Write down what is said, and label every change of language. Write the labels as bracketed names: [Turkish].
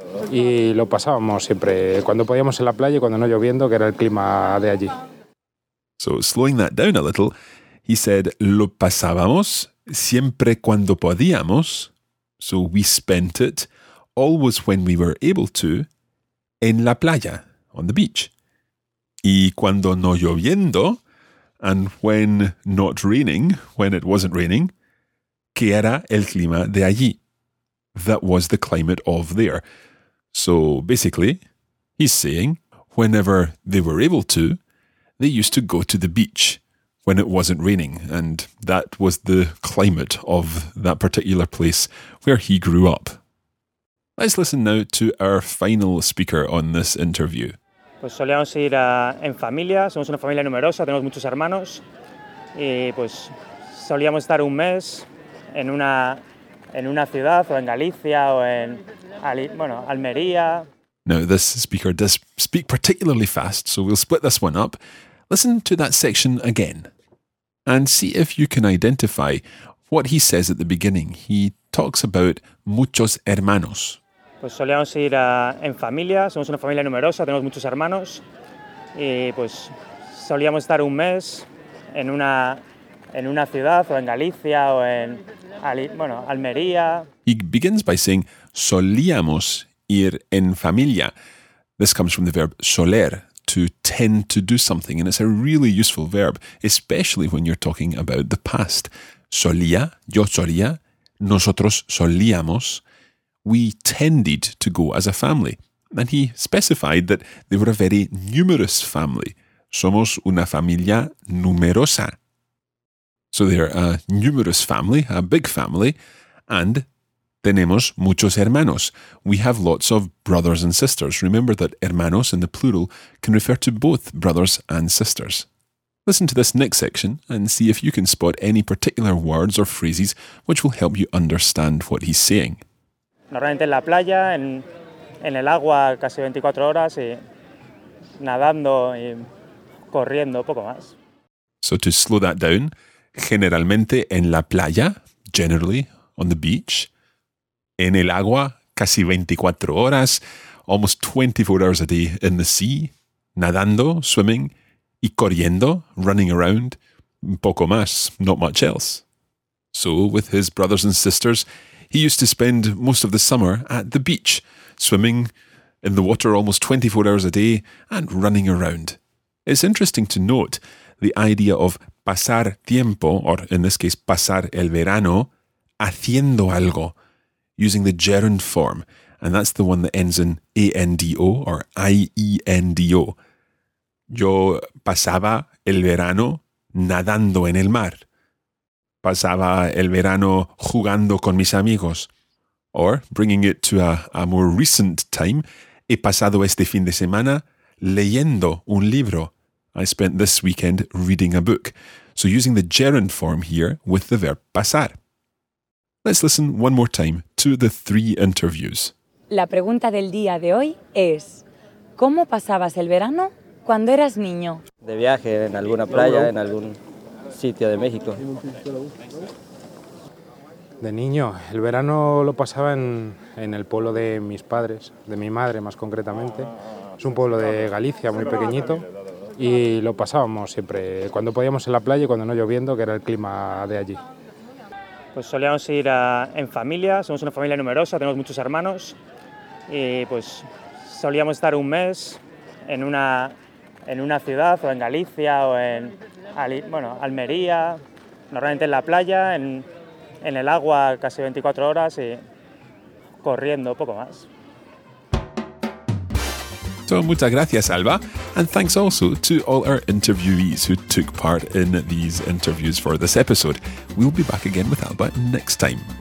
[Spanish] Y lo pasábamos siempre, cuando podíamos en la playa y cuando no lloviendo, que era el clima de allí. [English] So, slowing that down a little, he said, [Spanish] lo pasábamos siempre cuando podíamos, [English] so we spent it, always when we were able to, [Spanish] en la playa, [English] on the beach. [Spanish] Y cuando no lloviendo, [English] and when not raining, when it wasn't raining, [Spanish] que era el clima de allí. [English] That was the climate of there. So basically, he's saying, whenever they were able to, they used to go to the beach when it wasn't raining, and that was the climate of that particular place where he grew up. Let's listen now to our final speaker on this interview. [Spanish] Pues solíamos ir en familia, somos una familia numerosa, tenemos muchos hermanos, y pues solíamos estar un mes en una ciudad, o en Galicia, o en Almería. [English] Now, this speaker does speak particularly fast, so we'll split this one up. Listen to that section again, and see if you can identify what he says at the beginning. He talks about [Spanish] muchos hermanos. Pues solíamos ir en familia, somos una familia numerosa, tenemos muchos hermanos y pues solíamos estar un mes en una ciudad o en Galicia o en Almería. [English] He begins by saying [Spanish] solíamos ir en familia. [English] This comes from the verb soler, to tend to do something, and it's a really useful verb, especially when you're talking about the past. [Spanish] Solía, yo solía, nosotros solíamos. [English] We tended to go as a family. And he specified that they were a very numerous family. [Spanish] Somos una familia numerosa. [English] So they're a numerous family, a big family, and [Spanish] tenemos muchos hermanos. [English] We have lots of brothers and sisters. Remember that hermanos in the plural can refer to both brothers and sisters. Listen to this next section and see if you can spot any particular words or phrases which will help you understand what he's saying. [Spanish] Normalmente en la playa, en el agua casi 24 horas y nadando y corriendo poco más. [English] So to slow that down, [Spanish] generalmente en la playa, [English] generally on the beach, [Spanish] en el agua casi 24 horas, [English] almost 24 hours a day in the sea, nadando, swimming, [Spanish] y corriendo, [English] running around, [Spanish] poco más, [English] not much else. So with his brothers and sisters, he used to spend most of the summer at the beach, swimming in the water almost 24 hours a day and running around. It's interesting to note the idea of [Spanish] pasar tiempo, [English] or in this case, [Spanish] pasar el verano, haciendo algo, [English] using the gerund form. And that's the one that ends in A-N-D-O or I-E-N-D-O. [Spanish] Yo pasaba el verano nadando en el mar. Pasaba el verano jugando con mis amigos. [English] Or, bringing it to a more recent time, [Spanish] he pasado este fin de semana leyendo un libro. [English] I spent this weekend reading a book. So using the gerund form here with the verb pasar. Let's listen one more time to the three interviews. [Spanish] La pregunta del día de hoy es, ¿cómo pasabas el verano cuando eras niño? De viaje en alguna playa, en algún sitio de México. De niño, el verano lo pasaba en el pueblo de mis padres, de mi madre más concretamente. Es un pueblo de Galicia, muy pequeñito, y lo pasábamos siempre, cuando podíamos en la playa y cuando no lloviendo, que era el clima de allí. Pues solíamos ir en familia, somos una familia numerosa, tenemos muchos hermanos, y pues solíamos estar un mes en una ciudad o en Galicia o en Almería, normalmente en la playa, en el agua casi 24 horas y corriendo poco más. [English] So, [Spanish] muchas gracias, [English] Alba, and thanks also to all our interviewees who took part in these interviews for this episode. We'll be back again with Alba next time.